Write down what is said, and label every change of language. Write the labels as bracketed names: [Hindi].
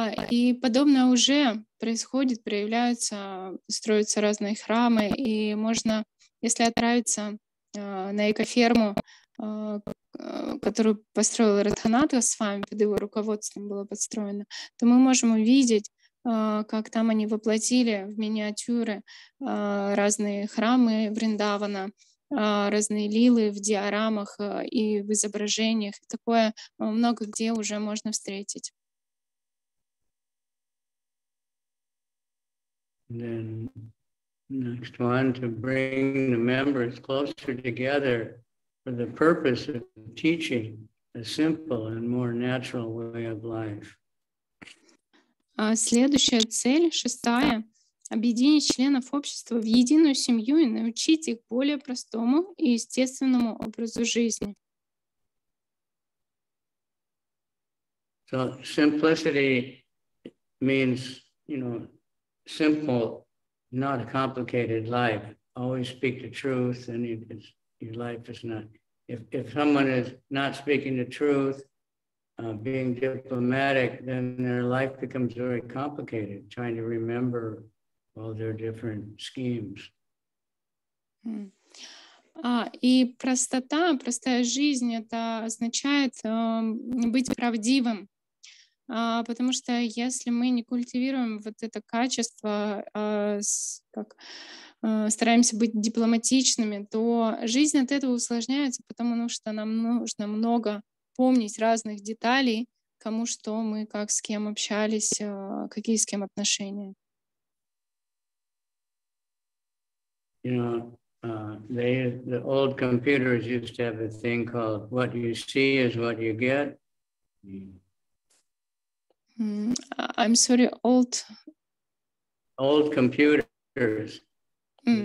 [Russian] И подобное уже происходит, проявляются, строятся разные храмы, и можно, если отправиться на экоферму, которую построил Радханатха с вами, под его руководством было построено, то мы можем увидеть, как там они воплотили в миниатюры разные храмы Вриндавана, разные лилы в диорамах и в изображениях. Такое много где уже можно встретить. [English] Then next one, to bring the members closer together for the purpose of teaching a simple and more natural way of life. [Russian] Следующая цель, шестая. Объединить членов общества в единую семью и научить их более простому и естественному образу жизни. [English] So simplicity means, you know, simple, not a complicated life. Always speak the truth, and your life is not. If someone is not speaking the truth, being diplomatic, then their life becomes very complicated. Trying to remember all their different schemes. [Russian] И простота, простая жизнь, это означает быть правдивым. Потому что если мы не культивируем вот это качество, стараемся быть дипломатичными, то жизнь от этого усложняется, потому что нам нужно много помнить разных деталей, кому что мы, как с кем общались, какие с кем отношения. [English] You know, the old computers used to have a thing called "What you see is what you get." I'm sorry, old. Old computers. Mm.